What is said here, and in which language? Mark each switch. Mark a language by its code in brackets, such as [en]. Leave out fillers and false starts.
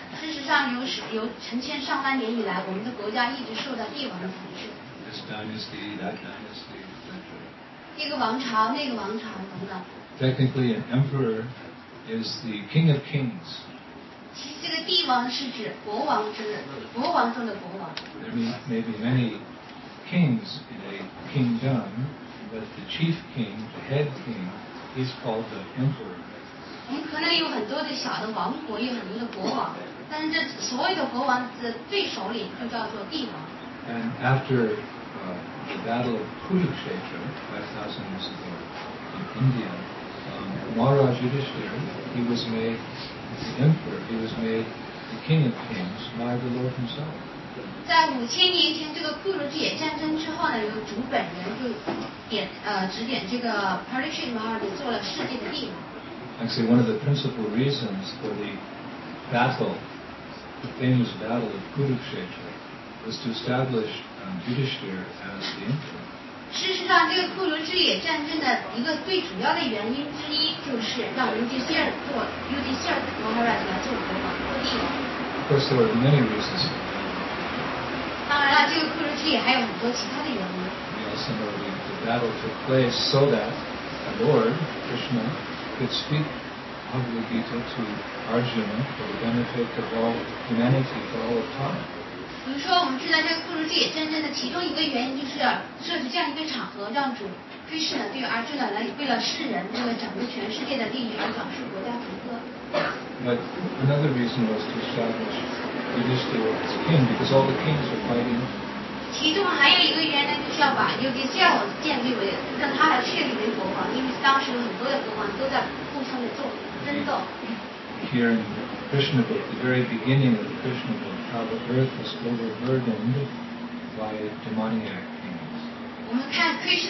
[zh] 事实上由成千上万年以来我们的国家一直受到帝王的统治 [en] This dynasty, that dynasty, [zh] 这个王朝那个王朝等等 [en] Technically an emperor is the king of kings [zh] 其实这个帝王是指国王之国王中的国王 [en] There may be many kings in a kingdom but the chief king, the head king is called the emperor [zh] 我们可能有很多的小的王国有很多的国王但是这所谓的国王的最首领就叫做帝王。 [en] And after the battle of Kurukshetra 5,000 years ago in India, Maharaj Yudhishthira, he was made the emperor, he was made the king of kings by the Lord himself. [zh] 在五千年前这个库鲁铁战争之后呢，由主本人就指点这个 Parikshit Maharaj 做了世界的帝王。 [en] Actually, one of the principal reasons for the battle. The famous battle of Kurukshetra was to establish Yudhishthira as the emperor. [zh] 事实上，这个库鲁之野战争的一个最主要的原因之一，就是让Yudhishthira Maharaj 来做国王，做帝王。 [en] Of course, there were many reasons. [zh] 当然了，这个库鲁之野还有很多其他的原因。 [en] We also know the battle took place so that the Lord Krishna could speak. Bhagavad Gita to Arjuna for the benefit of all humanity for all of time. [zh] 比如说，我们知道这个库鲁之野战争的其中一个原因就是设置这样一个场合，让主 Krishna 对 Arjuna 来为了世人，为了整个全世界的利益而讲述国家国歌。 [en] But another reason was to establish Yudhishthira as king because all the kings were fighting. [zh] 其中还有一个原因就是要把 Yudhishthira 建立为让他来确立为国王，因为当时有很多的国王都在。 [en] Here in the Krishna book, the very beginning of the Krishna book, how the earth was overburdened by demoniac kings.